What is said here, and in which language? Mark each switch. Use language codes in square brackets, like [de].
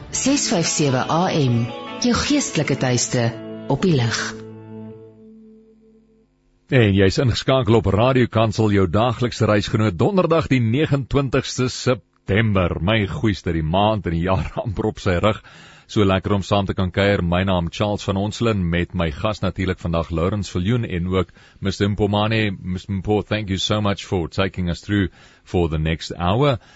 [af] 657 AM, jou geestelike tuiste op die lig. En jy is ingeskakel op Radio Kansel, jou daaglikse reisgenoot, donderdag die 29ste September. My goeister, die maand en die jaar amper op sy rug. So lekker om saam te kan kuier, my naam Charles van Onselen, met my gas natuurlijk vandag, Lawrence Viljoen, en ook Mr. Mpomane. Mr. [en] Mpo, thank you so much for taking us through for the next hour.